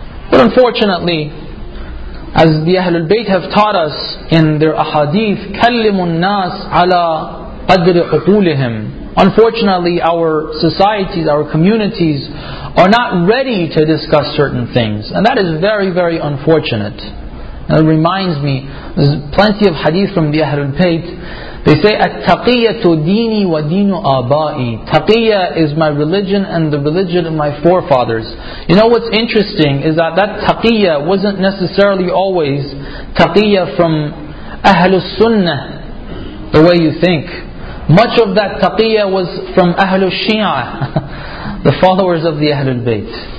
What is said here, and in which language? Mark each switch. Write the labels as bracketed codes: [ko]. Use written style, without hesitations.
[en] But unfortunately, as the Ahlul Bayt have taught us in their ahadith, [ar] كَلِّمُ النَّاسِ عَلَىٰ قَدْرِ عُقُولِهِمْ. [en] Unfortunately, our societies, our communities are not ready to discuss certain things. And that is very, very unfortunate. And it reminds me, there's plenty of hadith from the Ahlul Bayt. They say, [ar] التَّقِيَّةُ دِينِي وَدِينُ آبَائِي. [en] Taqiyya is my religion and the religion of my forefathers. You know what's interesting is that taqiyya wasn't necessarily always taqiyya from Ahlul Sunnah, the way you think. Much of that taqiyya was from Ahlul Shia, the followers of the Ahlul Bayt.